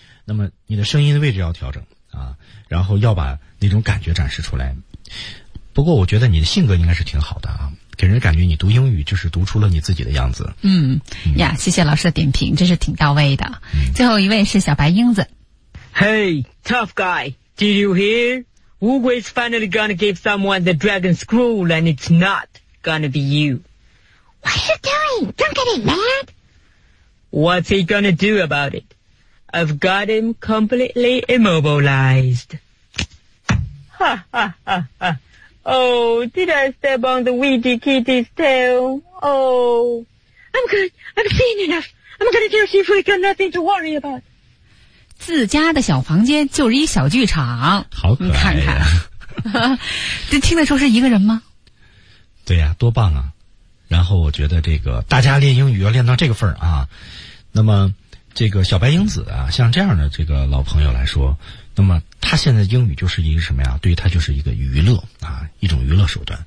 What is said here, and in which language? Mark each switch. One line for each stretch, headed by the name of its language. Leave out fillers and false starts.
Chinese: 那么你的声音的位置要调整啊，然后要把那种感觉展示出来。不过我觉得你的性格应该是挺好的啊。给人感觉你读英语就是读出了你自己的样子。嗯呀，谢谢老师的点评，这是挺到位的、嗯、最后一位是小白英子。
English: Hey, tough guy, did you hear? Ugo is finally gonna give someone the dragon scroll, and it's not gonna be you. What are you doing? Don't get him mad. What's he gonna do about it? I've got him completely immobilized. Ha ha ha ha. Oh, did I step on the Ouija kitty's tail? Oh, I'm good. I've seen enough. I'm gonna tell Shifu he got nothing to worry about.
Chinese: 自家的小房间就是一小剧场，好可爱、啊、你看看，这听得出是一个人吗？对呀、啊，多棒啊！然后我觉得这个大家练英语要练到这个份儿啊，那么这个小白英子啊，像这样的这个老朋友来说，那么他现在英语就是一个什么呀，对于他就是一个娱乐啊，一种娱乐手段。